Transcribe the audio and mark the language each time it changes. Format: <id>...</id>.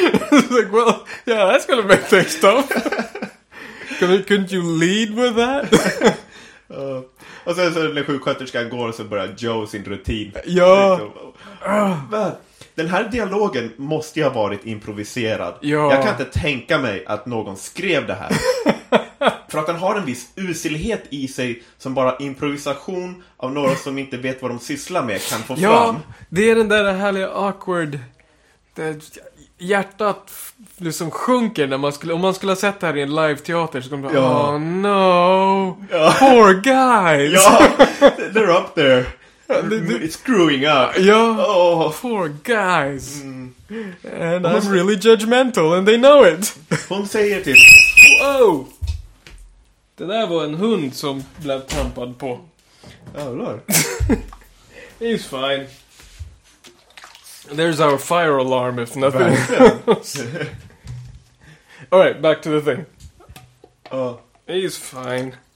<en>Like, well, yeah, that's gonna make things tough. Couldn't you lead with that?</en> <sv>Och sen så när sjuksköterskan går så börjar Joe sin rutin. Ja. Men den här dialogen måste ju ha varit improviserad. Ja. Jag kan inte tänka mig att någon skrev det här. För att den har en viss uselhet i sig som bara improvisation av några som inte vet vad de sysslar med kan få fram. Ja, det är den där härliga awkward... Hjärtat liksom sjunker när man skulle, om man skulle ha sett det här i en live-teater så kommer man oh no, poor guys.</sv> <en>Ja, they're up there, it's screwing up. Ja, poor guys. And I'm really judgmental and they know it.</en> <sv>Hon säger till</sv> <en>wow.</en> <sv>Det där var en hund som blev trampad på.</sv> <en>Oh, he's fine. There's our fire alarm, if nothing. All right, back to the thing. He's fine.</en>